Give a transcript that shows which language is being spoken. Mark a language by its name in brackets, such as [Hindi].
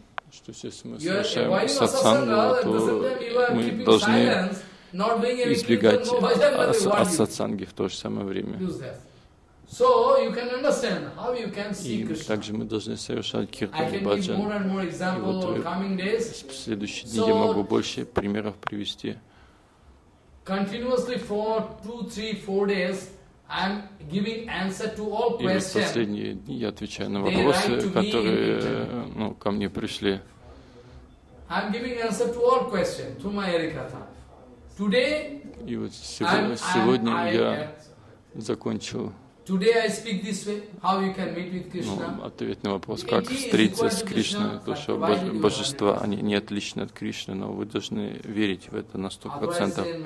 [Russian] Что если мы совершаем сатсангу, то мы должны избегать сатсанги в то же самое время. [English] So you can understand how you can see Krishna. [Russian] И также мы должны совершать киртан баджан. [English] I can give more and more examples in the [Russian] следующие дни. Я могу больше примеров привести. [English] Continuously for 2-3-4 days, I'm giving answer to all questions. [Russian] И в последние дни я отвечаю на вопросы, которые ко мне пришли. [English] I'm giving answer to all questions through my Harikatha. Today, [Russian] и вот сегодня я закончил. [English] Today I speak this way. How you can meet with Krishna? [Russian] Ответ на вопрос, как встретиться с Кришной, то что божества, они не отличны от Кришны, но вы должны верить в это на 100%.